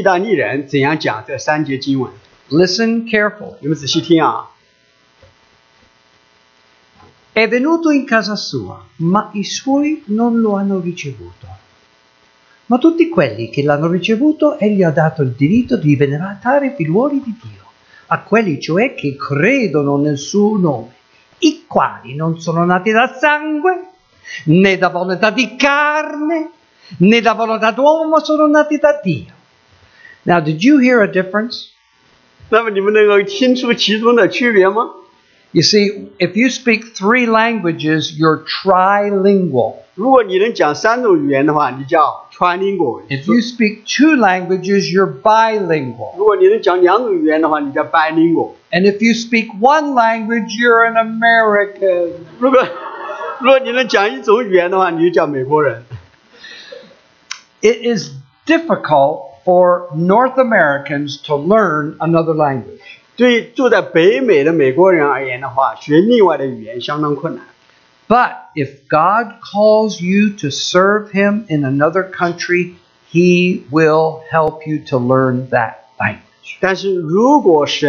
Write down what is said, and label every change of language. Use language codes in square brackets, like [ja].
[zh] 那么我现在给你们讲真正的意大利人怎样讲这三节经文。 [en] Listen carefully. [zh] 你们仔细听啊。 [it] È venuto in casa sua, ma I suoi non lo hanno ricevuto. Ma tutti quelli che l'hanno ricevuto, egli ha dato il diritto di venerare figliuoli di Dio, a quelli cioè che credono nel suo nome, I quali non sono nati da sangue, né da volontà di carne, né da volontà d'uomo, sono nati da Dio. [en] Now, did you hear a difference? [zh] 那么你们能够听出其中的区别吗? [en] You see, if you speak three languages, you're trilingual. [zh] 如果你能讲三种语言的话，你叫trilingual. [en] If you speak two languages, you're bilingual. [zh] 如果你能讲两种语言的话，你叫bilingual. [en] And if you speak one language, you're an American. [zh] 如果你能讲一种语言的话，你就叫美国人. [en] It is difficult for North Americans to learn another language. [zh] 对住在北美的美国人而言的话，学另外的语言相当困难。 [en] But if God calls you to serve Him in another country, He will help you to learn that language.